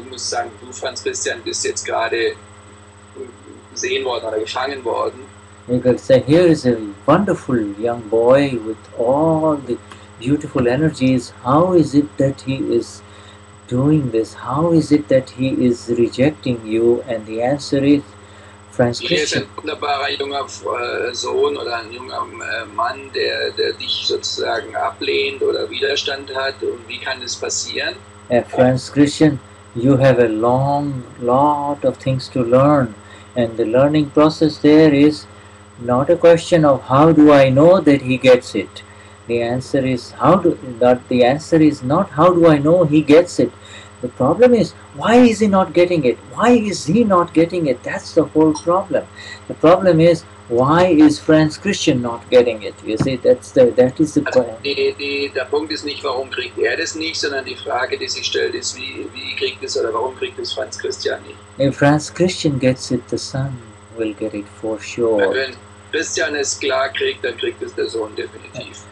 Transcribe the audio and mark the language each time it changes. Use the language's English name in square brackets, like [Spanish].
[German] Du musst sagen, du, Franz Christian, bist jetzt gerade gesehen worden oder gefangen worden. [English] You could say, here is a wonderful young boy with all the beautiful energies. How is it that he is doing this? How is it that he is rejecting you? And the answer is, Franz Christian. [German] Hier ist ein wunderbarer junger Sohn oder ein junger Mann, der dich sozusagen ablehnt oder Widerstand hat. Und wie kann das passieren? [English] Franz Christian, you have a long lot of things to learn. And the learning process there is not a question of how do I know that he gets it. The answer is not how do I know he gets it. The problem is, why is he not getting it? Why is he not getting it? That's the whole problem. The problem is, why is Franz Christian not getting it? You see, that is the point. [German] Der Punkt ist nicht, warum kriegt das nicht, sondern die Frage, die sich stellt, ist, wie kriegt es oder warum kriegt es Franz Christian nicht? [English] If Franz Christian gets it, the son will get it for sure. [German] Wenn Christian es klar kriegt, dann kriegt es der Sohn definitiv.